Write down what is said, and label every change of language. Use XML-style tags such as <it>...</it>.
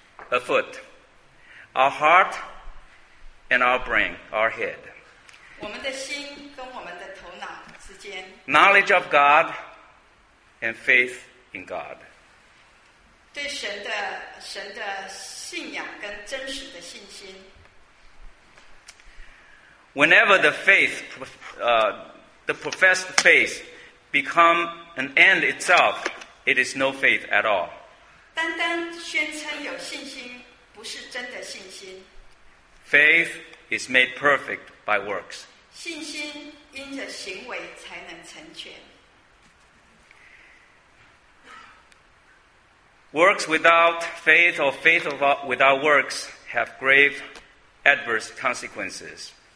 <en>A foot. Our heartAnd our brain, our head.</en> <zh>我们的心跟我们的头脑之间。</zh> <en>Knowledge of God and faith in God.</en> <zh>对神的信仰跟真实的信心。</zh> <en>Whenever the faith, the professed faith, become an end itself, it is no faith at all.</en> <zh>单单宣称有信心，不是真的信心。</zh> <en>Faith. Is made perfect by works.</en> <zh>信心因着行为才能成全。</zh> <en>Works without faith or faith without works have grave adverse consequences.</en>